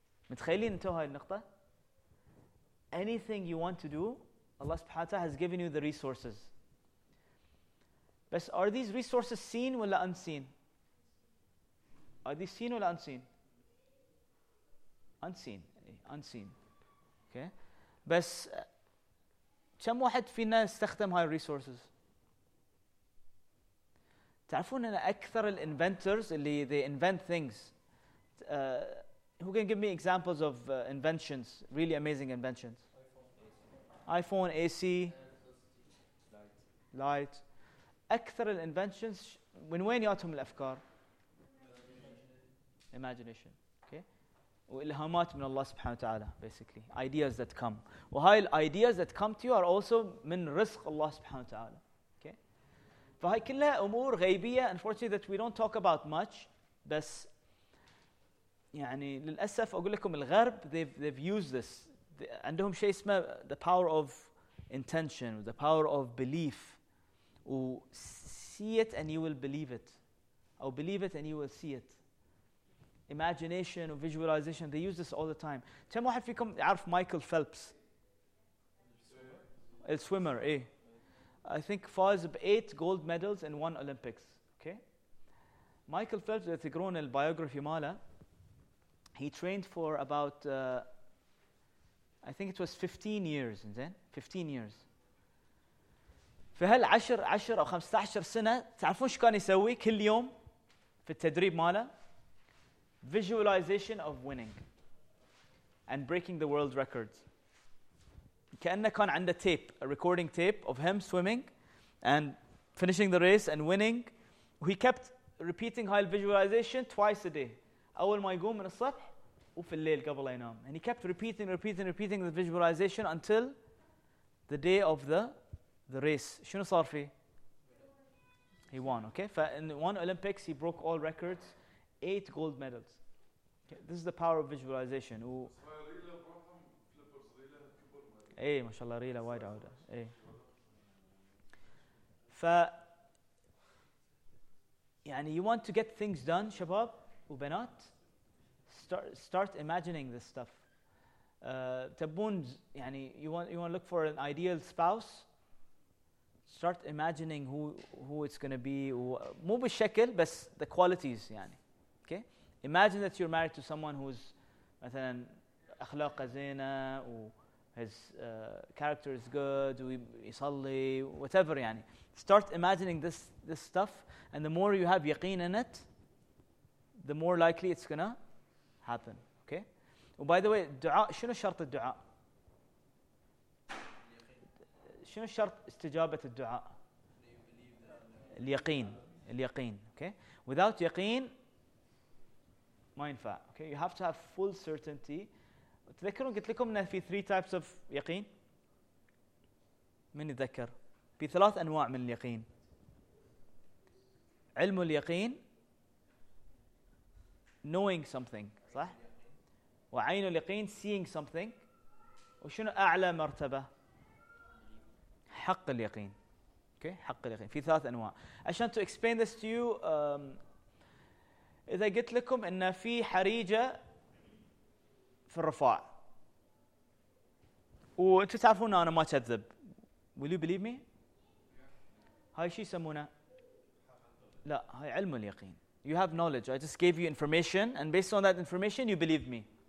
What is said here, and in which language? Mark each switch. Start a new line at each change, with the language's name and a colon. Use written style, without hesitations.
Arabic: متخيلين أنتوا هاي النقطة؟
English: anything you want to do
Arabic: الله سبحانه وتعالى
English: has given you the resources
Arabic: بس
English: are these resources seen
Arabic: ولا
English: unseen؟ Are these seen or unseen? Unseen. Unseen. Okay.
Arabic: بس كم واحد فينا استخدم هاي resources؟ تعرفون أن أكثر الانفنترز اللي
English: they invent things Who can give me examples of inventions, really amazing inventions? iPhone, AC, light.
Arabic: أكثر الinventions من وين يأتهم الأفكار؟ Imagination. Okay. وإلهامات من الله سبحانه وتعالى,
English: basically. Ideas that come.
Arabic: وهاي
English: ideas that come to you are also
Arabic: من رزق الله سبحانه وتعالى.
English: Okay.
Arabic: فهاي كلها أمور غيبية,
English: unfortunately, that we don't talk about much.
Arabic: بس يعني للأسف أقول لكم الغرب,
English: they've used this.
Arabic: عندهم شيء اسمه
English: the power of intention, the power of belief. See it and you will believe it. Or believe it and you will see it. Imagination or visualization, they use this all the time.
Arabic: كم واحد فيكم يعرف مايكل فيلبس؟ السويمر, إيه.
English: I think
Arabic: فاز ب8
English: gold medals in one Olympics. Okay. Michael Phelps,
Arabic: إذا تقرون البيوغرافي ماله,
English: he trained for about, I think it was 15 years, and then 15 years.
Arabic: في هال 10 أو 15 سنة, تعرفون شو كان يسوي كل يوم في التدريب ماله؟
English: Visualization of winning and breaking the world records.
Arabic: كأنه كان عنده
English: tape, a recording tape of him swimming and finishing the race and winning. He kept repeating
Arabic: هاي
English: visualization twice a day.
Arabic: أول ما يقوم من الصبح وفي الليل قبل ينام.
English: And he kept repeating the visualization until the day of the race.
Arabic: شنو صار فيه؟
English: He won, okay? In one Olympics, he broke all records, 8 gold medals. Okay, this is the power of visualization. Hey, mashallah, Rila, wide out. Hey.
Arabic: يعني
English: you want to get things done,
Arabic: شباب وبنات?
English: Start imagining this stuff. You want to look for an ideal spouse. Start imagining who it's going to be.
Arabic: مو بالشكل بس
English: the qualities
Arabic: يعني.
English: Okay. Imagine that you're married to someone who's,
Arabic: مثلا, أخلاقه زينة,
English: his character is good,
Arabic: ويصلي,
English: whatever
Arabic: يعني.
English: Start imagining this stuff, and the more you have يقين in it, the more likely it's gonna happen. Okay. Oh, by the way, دعاء.
Arabic: شنو شرط الدعاء؟ شنو شرط استجابة الدعاء؟ اليقين. اليقين. Okay.
English: Without
Arabic: يقين ما ينفع. Okay.
English: You have to have full certainty.
Arabic: تذكرون قلت لكم إن في
English: 3 types of
Arabic: يقين. من يتذكر؟ في 3 أنواع من اليقين. علم اليقين.
English: Knowing something.
Arabic: صح؟ وعين اليقين
English: seeing something.
Arabic: وشنو أعلى مرتبة؟ حق اليقين. Okay. حق اليقين في 3 أنواع. عشان
English: to explain this to you,
Arabic: إذا قلت لكم إن في حريجة في الرفاع وأنتوا تعرفون أنا ما أكذب,
English: will you believe me?
Arabic: هاي شي يسمونه؟ لا, هاي علم اليقين.
English: You have knowledge. I just gave you information, and based on that information, you believe me.